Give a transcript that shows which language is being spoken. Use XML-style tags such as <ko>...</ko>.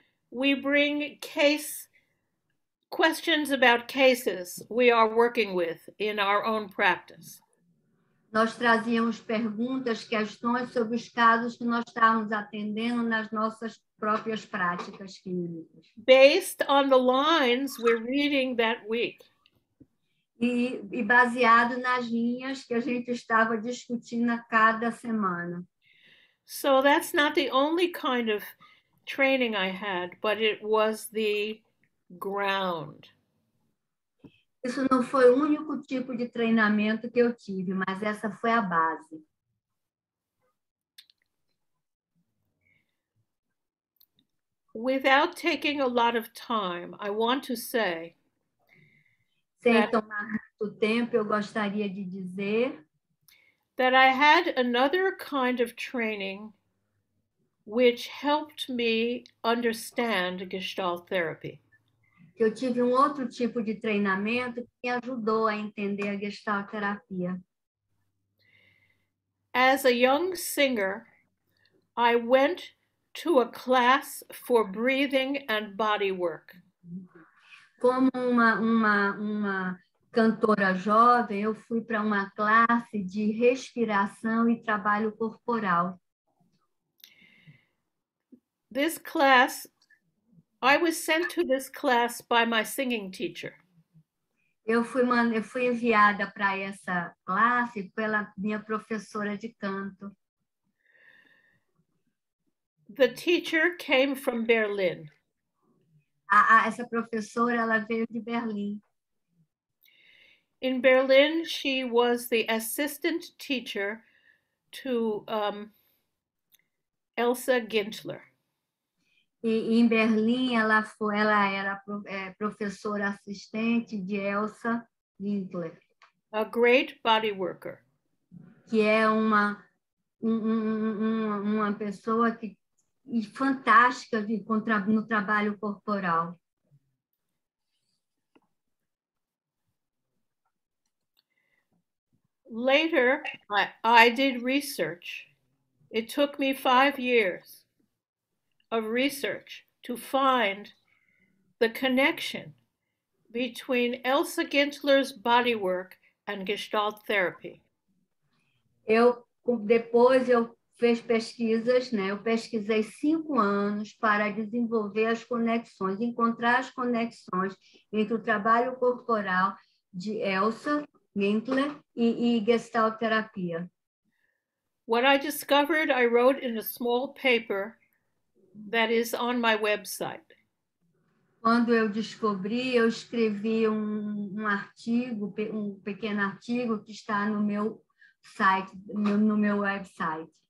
<en>We bring questions about cases we are working with in our own practice.</en> <pt>Nós trazíamos perguntas, questões sobre os casos que nós estávamos atendendo nas nossas próprias práticas clínicas.</pt> <en>Based on the lines we're reading that week.</en> <pt>E baseado nas linhas que a gente estava discutindo a cada semana.</pt> <en>So that's not the only kind of training I had, but it was the ground.</en> <pt>Isso não foi o único tipo de treinamento que eu tive, mas essa foi a base.</pt> <en>Without taking a lot of time, I want to say</en> <pt>sem tomar muito tempo, eu gostaria de dizer</pt> <en>that I had another kind of training which helped me understand Gestalt therapy.</en> <pt>Que eu tive um outro tipo de treinamento que me ajudou a entender a Gestalt terapia.</pt> <en>As a young singer, I went to a class for breathing and body work.</en> <pt>Como uma cantora jovem, eu fui para uma classe de respiração e trabalho corporal.</pt> <en>This class, I was sent to this class by my singing teacher.</en> <pt>Eu fui enviada para essa classe pela minha professora de canto.</pt> <en>The teacher came from Berlin.</en> <pt>Essa professora, ela veio de Berlim.</pt> <en>In Berlin, she was the assistant teacher to Elsa Gintler.</en> <pt>E em Berlim, ela era professora assistente de Elsa Gintler.</pt> <en>A great body worker.</en> <pt>Que é uma pessoa que e fantástica de no trabalho corporal.</pt> <en>Later, I did research. It took me 5 years of research to find the connection between Elsa Gintler's bodywork and Gestalt therapy.</en> <pt>Depois eu fiz pesquisas, né? Eu pesquisei 5 anos para desenvolver as conexões, encontrar as conexões entre o trabalho corporal de Elsa Gintler e Gestalt terapia.</pt> <en>What I discovered, I wrote in a small paper that is on my website.</en> <pt>Quando eu descobri, eu escrevi um artigo, um pequeno artigo que está no meu site, no meu website.</pt>